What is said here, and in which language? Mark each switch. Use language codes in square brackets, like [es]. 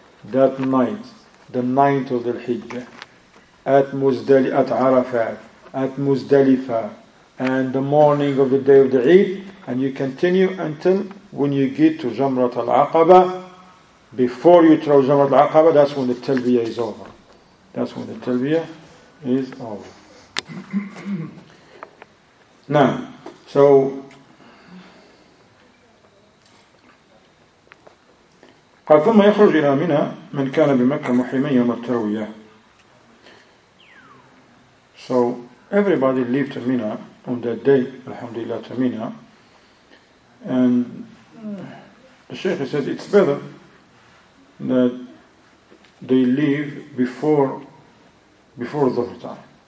[en] That night, the 9th of the Hijjah, at Arafat, at Muzdalifah, and the morning of the day of the Eid, and you continue until when you get to Jamrat al-Aqaba. Before you throw Jamrat al-Aqaba, that's when the Talbiyah is over. That's when the Talbiyah is over. Now, so [ar] قال ثم يخرج إلى منى من كان بمكة محرمين يوم التروية. [en] So everybody leave to Mina on that day, alhamdulillah, to Mina. And the Shaykh says it's better that they leave before Dhuhr time.